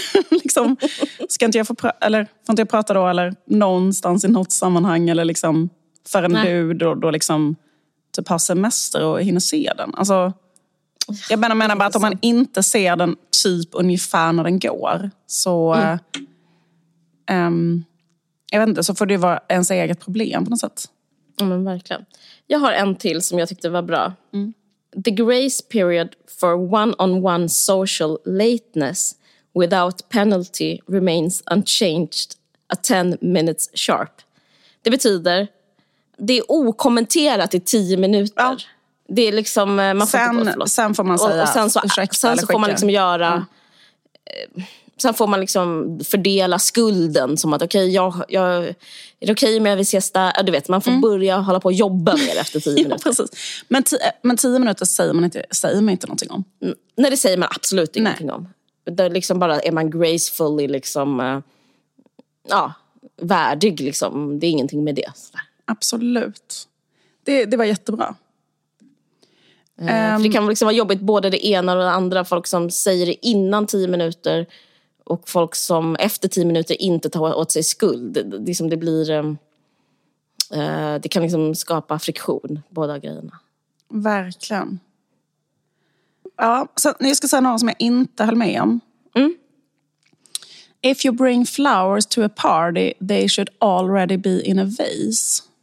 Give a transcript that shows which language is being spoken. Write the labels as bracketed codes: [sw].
[sv] Liksom, ska inte jag få får inte jag prata då eller någonstans i något sammanhang eller liksom förrän du då liksom typ har semester och hinner se den. Alltså, jag menar bara att om man inte ser den typ ungefär när den går så jag vet inte, så får det vara ens eget problem på något sätt. Ja, men verkligen. Jag har en till som jag tyckte var bra. [en] The grace period for one-on-one social lateness without penalty remains unchanged at 10 minutes sharp. [sv] Det betyder det är okommenterat i 10 minuter. Ja. Det är liksom man får sen får man säga och sen så, ursäkta, sen så får man liksom göra sen får man liksom fördela skulden som att okej, jag är det okej om jag vill ses där? Du vet, man får börja hålla på och jobba mer efter 10 minuter. Ja, precis. Men 10 minuter säger man inte någonting om? Nej, det säger man absolut ingenting om. Det är liksom bara, är man gracefully liksom, värdig liksom. Det är ingenting med det. Absolut. Det var jättebra. För det kan liksom vara jobbigt både det ena och det andra. Folk som säger det innan 10 minuter och folk som efter 10 minuter inte tar åt sig skuld. Det blir det kan liksom skapa friktion, båda grejerna. Verkligen. Ja, sen, jag ska säga något som jag inte höll med om. [en] If you bring flowers to a party, they should already be in a vase.